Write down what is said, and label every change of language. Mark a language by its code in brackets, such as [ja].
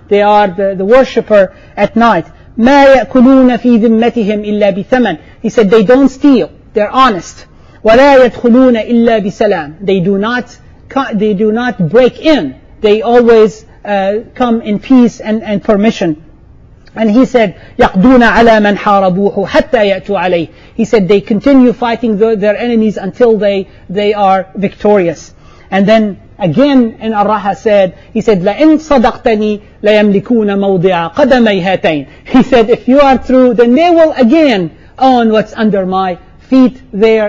[en] They are the worshipper at night. [ar] مَا يَأْكُلُونَ فِي ذِمَّتِهِمْ إِلَّا بِثَمَنٍ. [en] He said, they don't steal. They're honest. [ar] وَلَا يَدْخُلُونَ إِلَّا بِسَلَامٍ. [en] They do not break in. They always come in peace and permission. And he said, [ar] يَقْدُونَ عَلَى مَنْ حَارَبُوهُ حَتَّى يَأْتُوا عَلَيْهِ. [en] He said, they continue fighting their enemies until they are victorious. And then again in Ar-Raha said, he said, [ar] لَإِن صَدَقْتَنِي لَيَمْلِكُونَ مَوْضِعَ قَدَمَيْ هَاتَيْنِ. [en] He said, if you are true, then they will again own what's under my feet there.